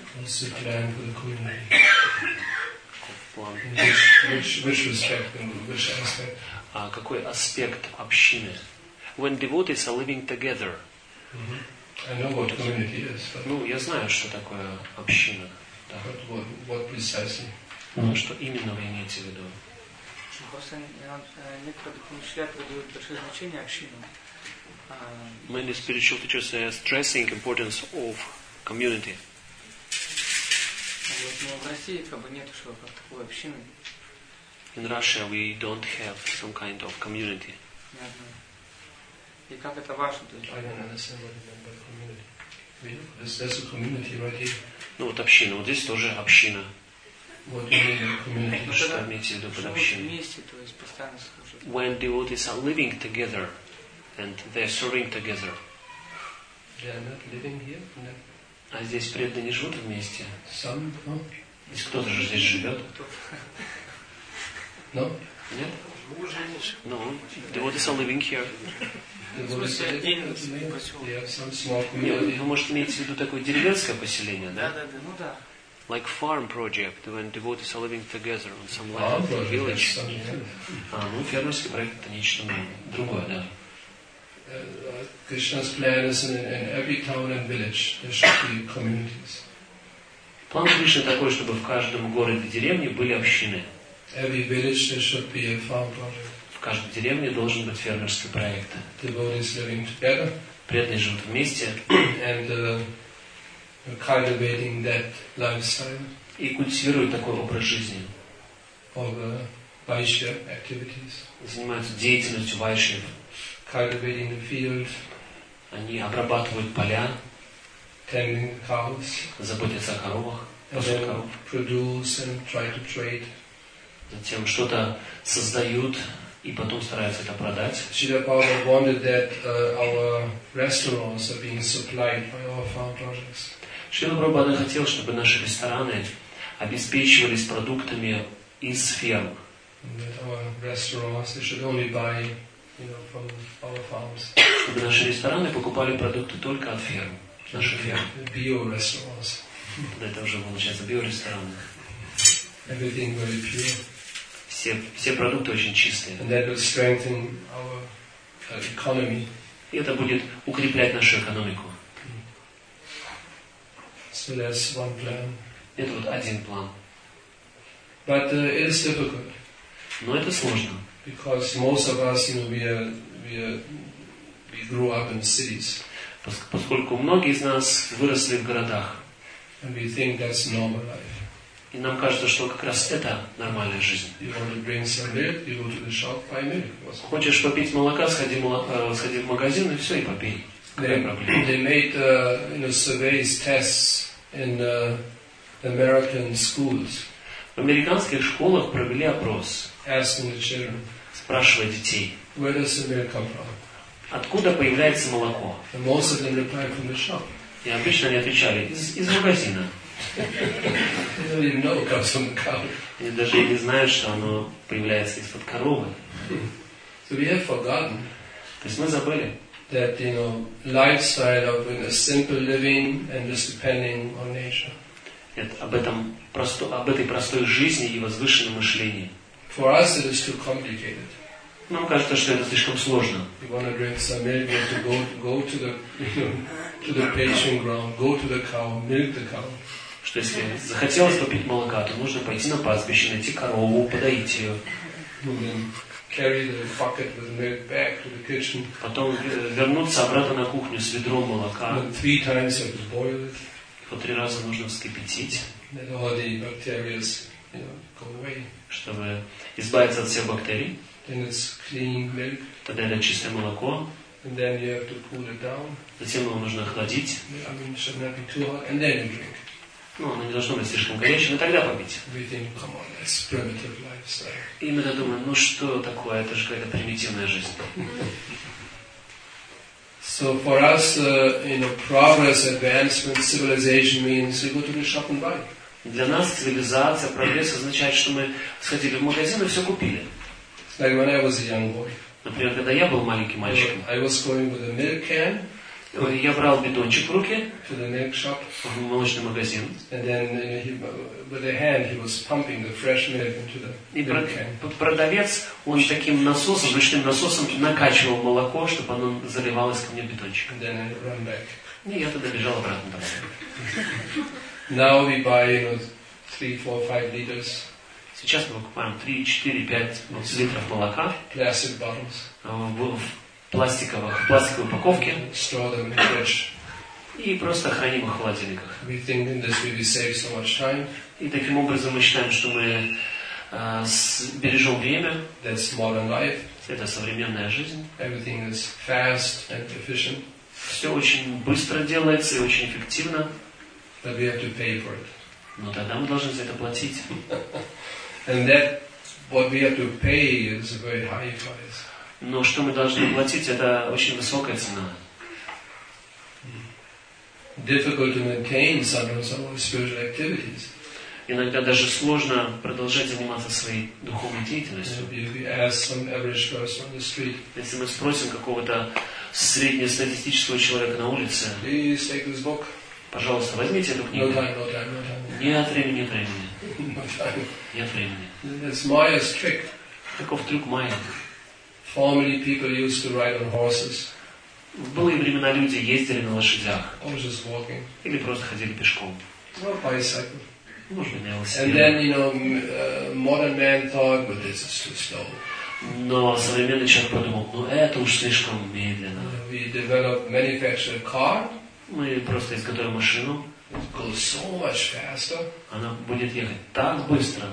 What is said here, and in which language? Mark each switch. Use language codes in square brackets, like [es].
[en] What's the plan for the community? [ru] План. [en] Which respect and which aspect? [ru] Какой аспект общины? [en] When devotees are living together. Mm-hmm. I know what community is. But... [ru] Ну, я знаю, что такое община. Да. [en] But what precisely? [ru] Ну, что именно вы имеете в виду? Просто некоторые помышляют, придают большое значение общинам. [en] Many spiritual teachers are stressing importance of community. [ru] Вот, но в России как бы нет уже как такой общины. [en] In Russia we don't have some kind of community. [ru] И как это важно? [en] I don't understand what you mean by community. There's a community right here. [ru] Ну вот община, вот здесь тоже община. [en] What do you mean by community? [ru] Что имеете в виду под общиной? Вместе, то есть постоянно служат. [en] When devotees are living together and they're serving together. They are not living here? [ru] А здесь преданные живут вместе? [en] Some, no. [ru] Здесь кто-то же здесь живет? [en] No? [ru] Нет? [en] No. Devotees are living here. Devotees [ru] вы можете иметь в виду такое деревенское поселение, да? Да, ну да. [en] Like farm project, when devotees are living together on some land, in project, village. Yes, some, yeah. [ru] Ну, фермерский проект, это нечто другое, да. [en] Krishna's plan is in every town and village, there should be communities. [ru] План Кришны такой, чтобы в каждом городе, деревне были общины. [en] Every village there should be a farm project. [ru] В каждой деревне должен быть фермерский проект. [en] Devotees living together. [ru] Преданные живут вместе. [en] And cultivating that lifestyle. [ru] И культивируют такой образ жизни. [en] Or vaishya activities. [ru] Занимаются деятельностью вайшья. [en] Cultivating the field. [ru] Они обрабатывают поля. [en] Tending cows. [ru] Заботятся о коровах. [en] And then produce and try to trade. [ru] Затем что-то создают и потом стараются это продать. [en] Шрила Прабхупада wanted that our restaurants are being supplied by our farm projects. [ru] Шрила Прабхупада хотел, чтобы наши рестораны обеспечивались продуктами из ферм. [en] That our restaurants they should only buy, you know, from our farms. [ru] Чтобы наши рестораны покупали продукты только от ферм, наших ферм. [en] Bio restaurants. [ru] Это уже получается биорестораны. [en] Everything very pure. [ru] Все продукты очень чистые. [en] And that will strengthen our economy. [ru] И это будет укреплять нашу экономику. [en] So that's one plan. [ru] Это вот один план. [en] But it is difficult. [ru] Но это сложно. [en] Because most of us, you know, we grew up in cities. [ru] Поскольку многие из нас выросли в городах. [en] And we think that's normal life. [ru] И нам кажется, что как раз это нормальная жизнь. [en] You want to bring some milk, you go to the shop, buy milk. [ru] Хочешь попить молока, сходи в магазин и все, и попей. [en] They made surveys, tests in American schools. [ru] В американских школах провели опрос. [en] Asking the children. [ru] Спрашивая детей. [en] Where does the milk come from? [ru] Откуда появляется молоко? [en] And most of them replied from the shop. [ru] И обычно они отвечали из магазина. [en] They don't even know it comes from the cow. [ru] Они даже не знают, что оно появляется из-под коровы. [en] So we have forgotten. [ru] То есть мы забыли. [en] That you know lifestyle of a simple living and just depending on nature. [ru] Это об этой простой жизни и возвышенном мышлении. [en] For us it is too complicated. [ru] Нам кажется, что это слишком сложно. [en] You want to drink some milk, you have to go to the, you know, to the pasture ground, go to the cow, milk the cow. [ru] Что если захотелось попить молока, то нужно пойти на пастбище, найти корову, подоить ее. [en] Carry the bucket with milk back to the kitchen. [ru] Потом вернуться обратно на кухню с ведром молока. [en] Three times you have to boil it. [ru] По три раза нужно вскипятить. [en] Let all the bacteria, go away. [ru] Чтобы избавиться от всех бактерий. [en] Then it's clean milk. [ru] Тогда это чистое молоко. [en] And then you have to cool it down. [ru] Затем его нужно охладить. [en] I mean, it should not be too hot. And then you drink. [ru] Ну, оно не должно быть слишком горячим, и тогда попить. [en] We think, come on, that's primitive lifestyle. [ru] И мы тогда думаем, ну что такое, это же какая-то примитивная жизнь. [en] So for us, you know, progress, advancement, civilization means you go to the shop and buy. [ru] Для нас цивилизация, прогресс означает, что мы сходили в магазин и все купили. [en] Like when I was a young boy. [ru] Например, когда я был маленьким мальчиком. [en] I was going with a milk can. [ru] Я брал бидончик в руки [en] to the milk shop, [ru] в молочный магазин. [en] And then with a hand he was pumping the fresh milk into the milk can. [ru] И продавец, он таким насосом, ручным насосом накачивал молоко, чтобы оно заливалось ко мне в бидончик. [en] And then I ran back. [ru] И я тогда бежал обратно домой. [en] Now we buy, you know, 3, 4, 5 liters. [ru] Сейчас мы покупаем 3, 4, 5 литров молока. [en] Plastic bottles. [ru] В пластиковой упаковке. [en] Store them in fridge. [ru] И просто храним их в холодильниках. [en] We think in this way we save so much time. [ru] И таким образом мы считаем, что мы бережем время. [en] That's modern life. [ru] Это современная жизнь. [en] Everything is fast and efficient. [ru] Все очень быстро делается и очень эффективно. [en] But we have to pay for it. [ru] Но тогда мы должны за это платить. [en] And that what we have to pay is a very high price. [ru] Но что мы должны платить, это очень высокая цена. [en] Difficult to maintain sometimes our spiritual activities. [ru] Иногда даже сложно продолжать заниматься своей духовной деятельностью. [en] If we ask some average person on the street, [ru] если мы спросим какого-то среднестатистического человека на улице, [en] please take this book. [ru] Пожалуйста, возьмите эту книгу. [en] No time. [ru] Нет времени, нет времени. [en] No time. [ru] Нет времени. [en] It's Maya's trick. [ru] Каков трюк Майя? [en] Formerly people used to ride on horses. [ru] В былые времена люди ездили на лошадях. [en] Or just walking. [ru] Или просто ходили пешком. [en] Or bicycle. [ru] Может быть, на велосипеде. [en] And then, you know, modern man thought, but this is too slow. [ru] Но современный человек подумал, ну это уж слишком медленно. [en] We developed, manufactured a car. [ru] Мы просто изготовим машину. [en] It goes so much faster. [ru] Она будет ехать так быстро.